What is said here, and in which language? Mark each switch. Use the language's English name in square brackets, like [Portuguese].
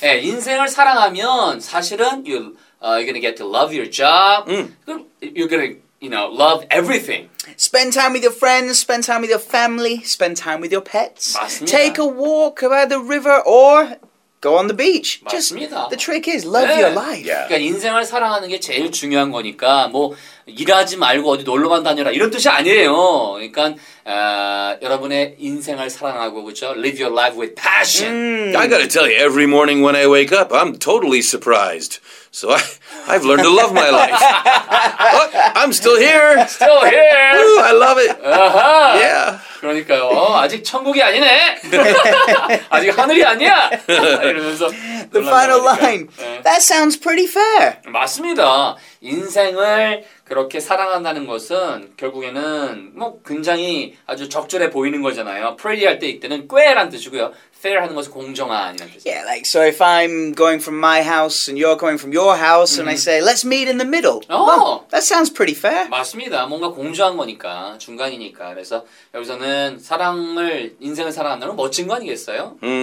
[Korean] 네, 인생을 사랑하면 사실은 [English] you're gonna get to love your job. You're gonna you know, love everything. Spend time with your friends, spend time with your family, spend time with your pets. [Korean] 맞습니다. [English] Take a walk by the river or go on the beach. [Korean] 맞습니다. [English] Just the trick is love 네. your life. Yeah. [Korean] 그러니까 인생을 사랑하는 게 제일 중요한 거니까 뭐 일하지 말고 어디 놀러만 다녀라 이런 뜻이 아니에요. 그러니까 여러분의 인생을 사랑하고 그렇죠? [English] Live your life with passion. I gotta tell you, every morning when I wake up, I'm totally surprised. So I've learned to love my life. Look, I'm still here. Still here. Ooh, I love it. Uh-huh. Yeah. [Korean] 그러니까요. 아직 천국이 아니네. 아직 하늘이 아니야. 이러면서 [English] The final [Korean] 말하니까. [English] line. 네. That sounds pretty fair. [Korean] 맞습니다. 인생을 그렇게 사랑한다는 것은 결국에는 뭐 굉장히 아주 적절해 보이는 거잖아요. Pretty 할 때 이때는 꽤란 뜻이고요. Fair 하는 것은 공정한 이런 뜻이에요. [English] Yeah, like so if I'm going from my house and you're going from your house and I say let's meet in the middle. Oh, well, that sounds pretty fair. [Korean] 맞습니다. 뭔가 공정한 거니까 중간이니까 그래서 여기서는 사랑을 인생을 사랑한다는 건 멋진 거 아니겠어요?